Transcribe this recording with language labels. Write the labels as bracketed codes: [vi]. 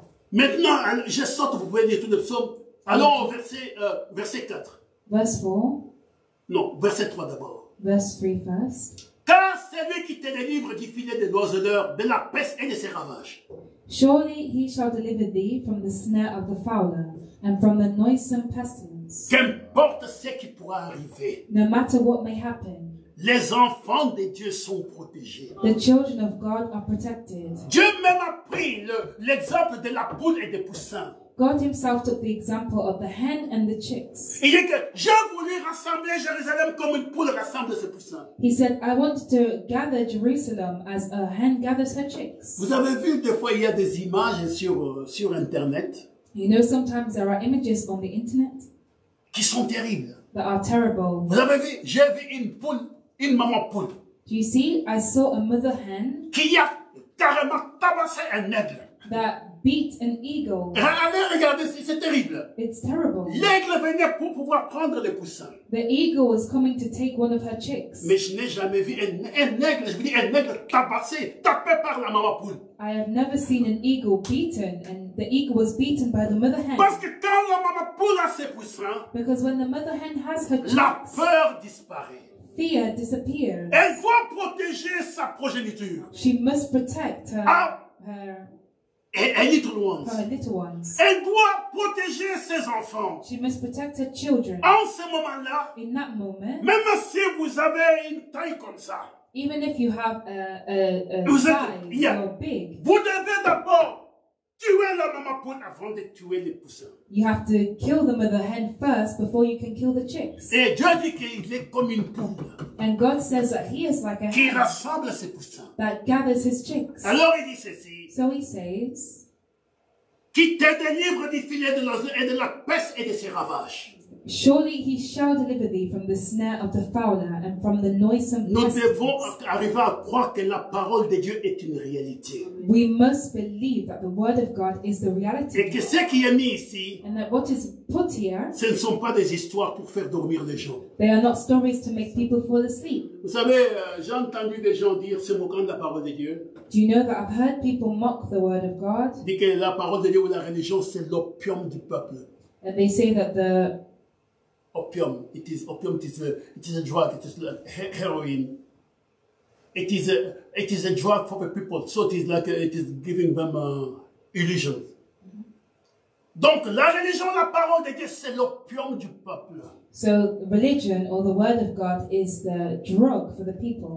[fr] Maintenant, je saute, vous pouvez lire tout le psaume. Allons au verset 4. [en] Verse 4. [fr] Non, verset 3 d'abord. [en] Verse 3 first. [fr] Car celui qui te délivre du filet de l'oiseleur, de la peste et de ses ravages. [en] Surely he shall deliver thee from the snare of the fowler and from the noisome pestilence. [fr] Qu'importe ce qui pourra arriver. [en] No matter what may happen. [fr] Les enfants de Dieu sont protégés. [en] The children of God are protected. [fr] Dieu même a pris l'exemple de la poule et des poussins. [en] God himself took the example of the hen and the chicks. [fr] Il dit que j'ai voulu rassembler Jérusalem comme une poule rassemble ses poussins. [en] He said, I wanted to gather Jerusalem as a hen gathers her chicks. [fr] Vous avez vu des fois il y a des images sur internet. [en] You know sometimes there are images on the internet. [fr] Qui sont terribles. [en] That are terrible. [fr] Vous avez vu, j'ai vu une poule, une maman poule. [en] Do you see, I saw a mother hen. [fr] Qui a carrément tabassé un aigle. [en] That beat an eagle. [fr] Allez regarder, c'est terrible. [en] It's terrible. [fr] L'aigle venait pour pouvoir prendre les poussins. [en] The eagle was coming to take one of her chicks. [fr] Mais je n'ai jamais vu un aigle, je veux dire un aigle tabassé, tapé par la maman poule. [en] I have never seen an eagle beaten, and the eagle was beaten by the mother hen. [fr] Parce que quand la maman poule a ses poussins, [en] because when the mother hen has her chicks, [fr] la peur disparaît. [en] Fear disappears. [fr] Elle doit protéger sa progéniture. [en] She must protect her. Her little ones. [fr] Elle doit protéger ses enfants. [en] She must protect her children. [fr] En ce moment-là, [en] in that moment, [fr] même si vous avez une taille comme ça. [en] Even if you have a size or big, [fr] vous devez d'abord tuer la maman poule avant de tuer les poussins. [en] You have to kill the mother hen first before you can kill the chicks. [fr] Et Dieu dit qu'il est comme une poule. [en] And God says that he is like a [fr] qui rassemble ses poussins. [en] That gathers his chicks. [fr] Alors il dit ceci. [en] So he says, [fr] qui te délivre du filet de l'oiseau et de la peste et de ses ravages. [en] Surely he shall deliver thee from the snare of the fowler and from the noisome pestilence. [fr] Nous devons arriver à croire que la parole de Dieu est une réalité. [en] We must believe that the word of God is the reality. [fr] Et que ce qui est mis ici, [en] and that what is put here, [fr] ce ne sont pas des histoires pour faire dormir les gens. [en] They are not stories to make people fall asleep. [fr] Vous savez, j'ai entendu des gens dire, se moquant de la parole de Dieu. [en] Do you know that I've heard people mock the word of God? [fr] Dit que la parole de Dieu ou la religion, c'est l'opium du peuple. [en] And they say that the opium, it is a drug, it is like heroin. It is a drug for the people, so it is giving them illusion. [fr] Donc la religion, la parole de Dieu, c'est l'opium du peuple. [en] So religion or the word of God is the drug for the people.